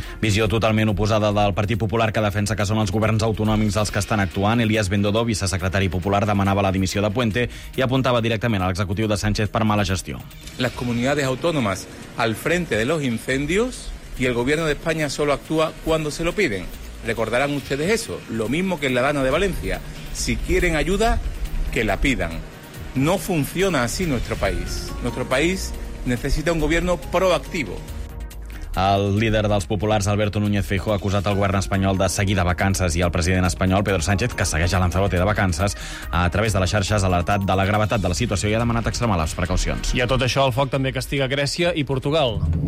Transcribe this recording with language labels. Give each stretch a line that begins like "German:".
Catalan: Visió totalment oposada del Partit Popular, que defensa que són els governs autonòmics els que estan actuant. Elías Bendodó, vicesecretari popular, demanava la dimissió de Puente i apuntava directament a l'executiu de Sánchez per mala gestió.
Spanish: Las comunidades autónomas al frente de los incendios y el gobierno de España solo actúa cuando se lo piden. Recordarán ustedes eso, lo mismo que en la Dana de Valencia. Si quieren ayuda, que la pidan. No funciona así nuestro país. Nuestro país necesita un gobierno proactivo.
Catalan: El líder dels populars, Alberto Núñez Feijóo, ha acusat el govern espanyol de seguir de vacances i el president espanyol, Pedro Sánchez, que segueix a Lanzarote de vacances, a través de les xarxes ha alertat de la gravetat de la situació i ha demanat extremar les precaucions. I a tot això, el foc també castiga Grècia i Portugal.